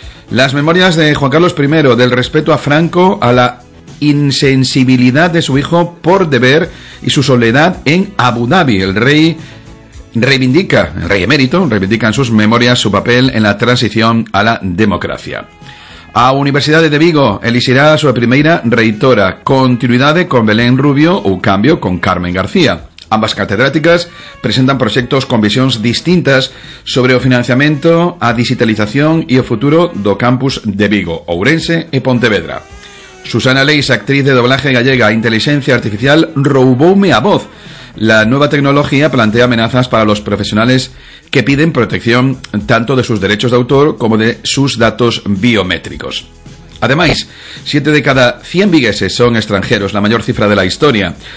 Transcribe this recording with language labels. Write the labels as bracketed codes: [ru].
[es] Las memorias de Juan Carlos I, del respeto a Franco, a la insensibilidad de su hijo por deber y su soledad en Abu Dhabi. El rey emérito reivindica en sus memorias su papel en la transición a la democracia. [gl] A Universidade de Vigo elixirá a súa primeira reitora. Continuidade con Belén Rubio ou cambio con Carmen García. Ambas catedráticas presentan proxectos con visións distintas sobre o financiamento, a digitalización e o futuro do campus de Vigo, Ourense e Pontevedra. Susana Leis, [es] actriz de doblaje gallega, [gl] inteligencia artificial roubou-me a voz. [es] La nueva tecnología plantea amenazas para los profesionales que piden protección tanto de sus derechos de autor como de sus datos biométricos. Además, 7 de cada 100 vigueses son extranjeros, la mayor cifra de la historia.